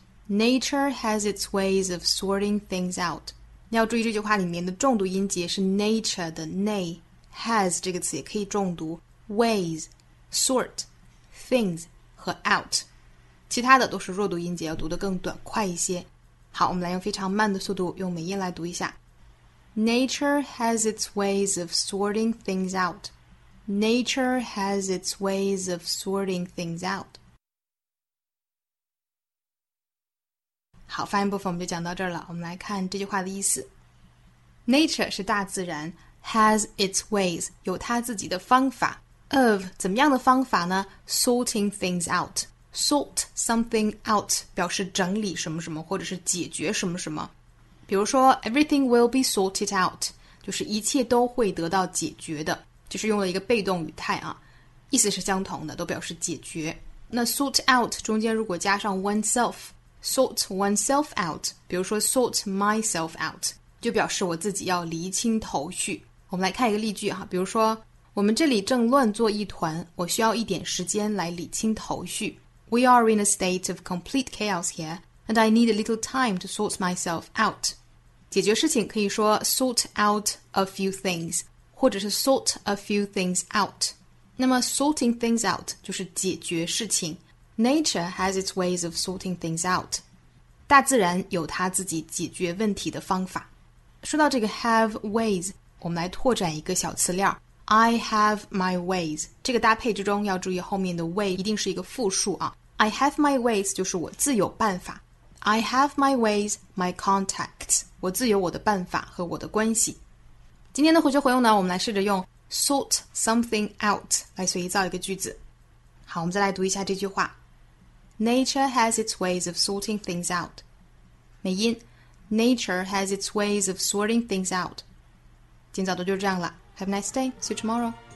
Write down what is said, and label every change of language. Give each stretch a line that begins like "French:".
English: Nature has its ways of sorting things out.
Chinese: 你要注意这句话里面的重读音节是 nature 的 nay， has 这个词也可以重读 ways， sort， things 和 out， 其他的都是弱读音节，要读得更短快一些。好，我们来用非常慢的速度用美音来读一下。
English: Nature has its ways of sorting things out. Nature has its ways of sorting things out.
Chinese: 好，发音部分我们就讲到这儿了。我们来看这句话的意思。Nature 是大自然 ，
English: has its ways
Chinese: 有它自己的方法。 Of 怎么样的方法呢 ？
English: Sorting things out. Sort something out
Chinese: 表示整理什么什么或者是解决什么什么，比如说
English: everything will be sorted out
Chinese: 就是一切都会得到解决的，就是用了一个被动语态啊，意思是相同的，都表示解决。那 sort out 中间如果加上 oneself，
English: sort oneself out，
Chinese: 比如说
English: sort myself out
Chinese: 就表示我自己要厘清头绪。我们来看一个例句啊，比如说我们这里正乱作一团，我需要一点时间来理清头绪。
English: We are in a state of complete chaos here, and I need a little time to sort myself out.
Chinese: 解决事情可以说
English: sort out a few things,
Chinese: 或者是
English: sort a few things out.
Chinese: 那么
English: sorting things out
Chinese: 就是解决事情。
English: Nature has its ways of sorting things out.
Chinese: 大自然有它自己解决问题的方法。说到这个
English: have ways,
Chinese: 我们来拓展一个小词链。
English: I have my ways.
Chinese: 这个搭配之中要注意后面的 way 一定是一个复数啊。
English: I have my ways
Chinese: 就是我自有办法。
English: I have my ways, my contacts.
Chinese: 我自有我的办法和我的关系。今天的回学回用呢，我们来试着用
English: sort something out
Chinese: 来随意造一个句子。好，我们再来读一下这句话。 Nature has its ways of sorting things out. 美音 Nature has its ways of sorting things out. 今早的就是这样了。 Have a nice day. See you tomorrow.